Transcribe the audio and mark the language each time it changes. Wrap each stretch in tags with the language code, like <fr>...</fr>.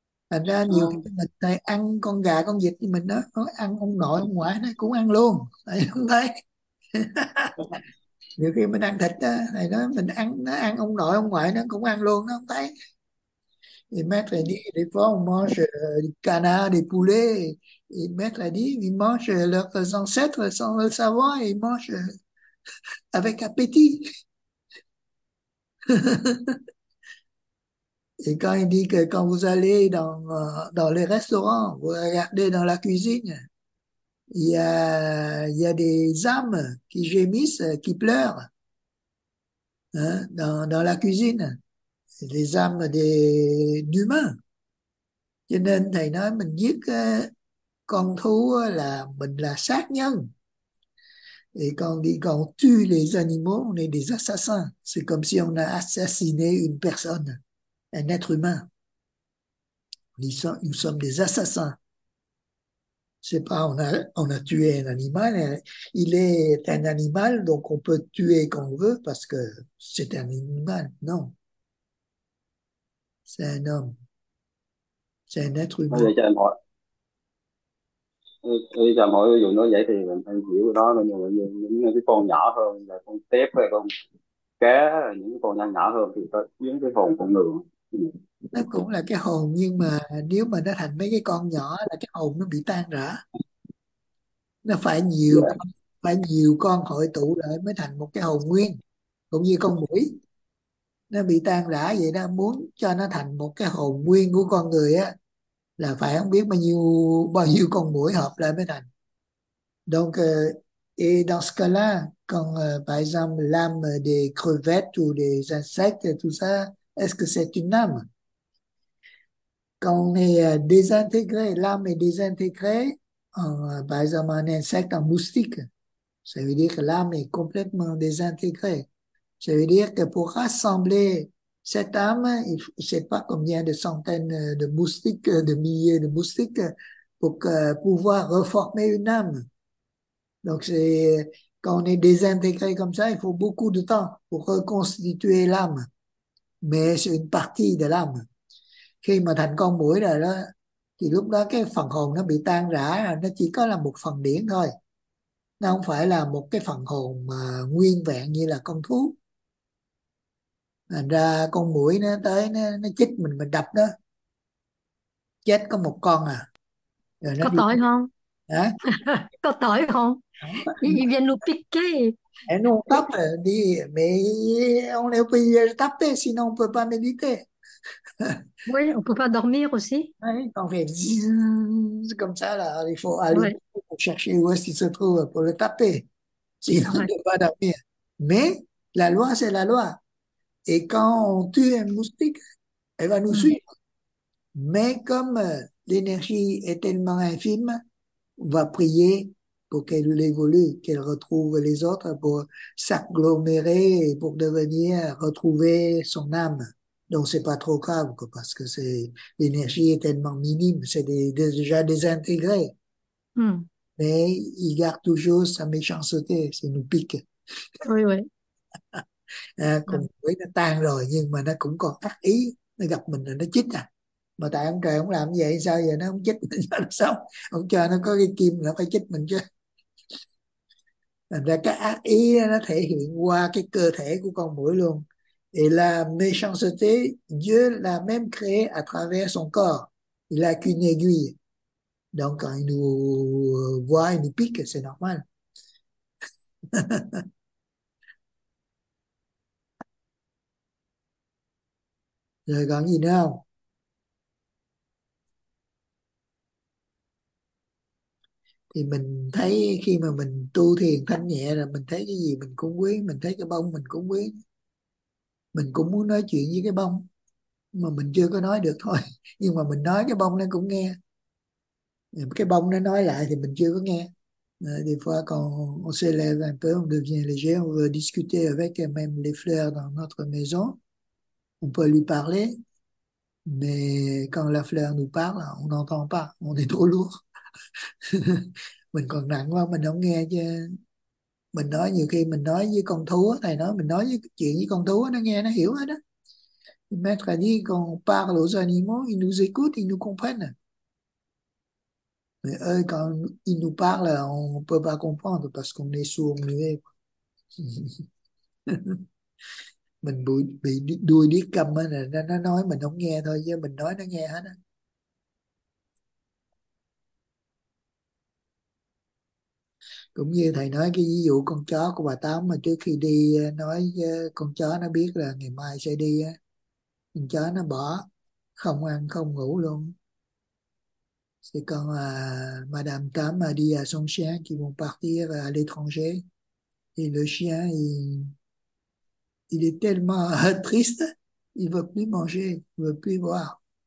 <vi>Thành ra nhiều khi mình thầy ăn con gà con vịt thì mình nó ăn ông nội ông ngoại nó cũng ăn luôn, thầy không thấy. Nhiều khi mình ăn thịt đó, thầy nói mình ăn nó ăn ông nội ông ngoại nó cũng ăn luôn, nó không thấy.</vi> <fr>Il maître a dit, des fois, on mange du canard, des poulets. Il maître a dit, ils mangent leurs ancêtres sans le savoir, ils mangent avec appétit. Et quand il dit que quand vous allez dans les restaurants, vous regardez dans la cuisine, il y a des âmes qui gémissent, qui pleurent, hein, dans la cuisine. Les âmes d'humains.</fr> <vi>Cho nên thầy nói mình giết con thú là mình là sát nhân.</vi> <fr>Et quand on dit qu'on tue les animaux, on est des assassins. C'est comme si on a assassiné une personne, un être humain. Nous sommes des assassins. C'est pas on a tué un animal. Il est un animal, donc on peut tuer quand on veut parce que c'est un animal. Non. C'est un homme, c'est un être</fr> <vi>Vậy cho em hỏi, cho em hỏi ví dụ nói vậy thì mình hay hiểu cái đó, nhưng mà những cái con nhỏ hơn là con tép hay con cá, những con nhỏ nhỏ hơn thì có biến cái hồn con người. nó cũng là cái hồn, nhưng mà nếu mà nó thành mấy cái con nhỏ là cái hồn nó bị tan rã, nó phải nhiều con hội tụ lại mới thành một cái hồn nguyên, cũng như con muỗi nó bị tan rã vậy đó. Muốn cho nó thành một cái hồn nguyên của con người á là phải không biết bao nhiêu con muỗi hợp lại mới thành.</vi> <fr>Donc et dans ce cas-là, quand par exemple l'âme des crevettes ou des insectes et tout ça, est-ce que c'est une âme? Quand on est désintégré, l'âme est désintégrée par exemple un insecte, un moustique, ça veut dire que l'âme est complètement désintégrée. Ça veut dire que pour rassembler cette âme, je sais pas combien de centaines de moustiques, de milliers de moustiques, pour pouvoir reformer une âme. Donc c'est quand on est désintégré comme ça, il faut beaucoup de temps pour reconstituer l'âme, mais c'est une partie de l'âme.</fr> <vi>Khi mà thành con muỗi rồi đó, thì lúc đó cái phần hồn nó bị tan rã, nó chỉ có là một phần điển thôi. Nó không phải là một cái phần hồn mà nguyên vẹn như là con thú. Thành ra con muỗi nó tới nó chích mình đập nó chết có một con à, rồi nó Có đi tội không? hả Có tội không? à?</vi> <fr>Il vient nous piquer. Et nous on tape, đi, mais on est obligé de taper, sinon on ne peut pas méditer. Oui, on peut pas dormir aussi. Ouais, on fait comme ça, là, il faut Oui. allumer pour chercher où est-ce qu'il se trouve pour le taper, sinon on Oui. ne peut pas dormir. Mais la loi, c'est la loi. Et quand on tue un moustique, elle va nous suivre. Mais comme l'énergie est tellement infime, on va prier pour qu'elle évolue, qu'elle retrouve les autres pour s'agglomérer et pour devenir, retrouver son âme. Donc c'est pas trop grave parce que c'est, l'énergie est tellement minime, c'est déjà désintégré. Mais il garde toujours sa méchanceté, c'est nous pique. À, Oui.</fr> <vi>con muỗi nó tan rồi nhưng mà nó cũng còn ác ý, nó gặp mình là nó chích à, mà tại ông trời ông làm vậy sao giờ nó không chích mình cho nó sống, ông cho nó có cái kim nó phải chích mình chứ. Thành ra cái ác ý đó, nó thể hiện qua cái cơ thể của con muỗi luôn.</vi> <fr>Et la méchanceté, Dieu l'a même créé à travers son corps, il a qu'une aiguille, donc quand il nous voit il nous pique, c'est normal.</fr> <vi>Rồi còn gì nữa không? Thì mình thấy khi mà mình tu thiền thanh nhẹ rồi, mình thấy cái gì mình cũng quý, mình thấy cái bông mình cũng quý. Mình cũng muốn nói chuyện với cái bông mà mình chưa có nói được thôi. Nhưng mà mình nói cái bông nó cũng nghe. Cái bông nó nói lại thì mình chưa có nghe.</vi> <fr>Des fois, quand on s'élève un peu, on devient léger, on veut discuter avec même les fleurs dans notre maison. On peut lui parler, mais quand la fleur nous parle, on n'entend pas, on est trop lourd. On</fr> <vi>mình còn nặng quá mình không nghe chứ. Mình nói nhiều khi mình nói với con thú, thầy nói mình nói với chuyện với con thú nó nghe nó hiểu hết đó.</vi> <fr>Mais quand il parle aux animaux, ils nous écoutent, ils nous comprennent. Mais eux, quand ils nous parlent, on ne peut pas comprendre parce qu'on est sourd, muet.</fr> <vi>Mình bị đuôi điếc câm là nó nói mình không nghe thôi chứ mình nói nó nghe hết á. Cũng như thầy nói cái ví dụ con chó của bà Tám mà trước khi đi nói con chó nó biết là ngày mai sẽ đi á, con chó nó bỏ không ăn không ngủ luôn.</vi> <fr>C'est quand Madame Tam a dit à son chien qu'ils vont partir à l'étranger. Et le chien, il est tellement triste, il ne veut plus manger, il ne veut plus boire.</fr>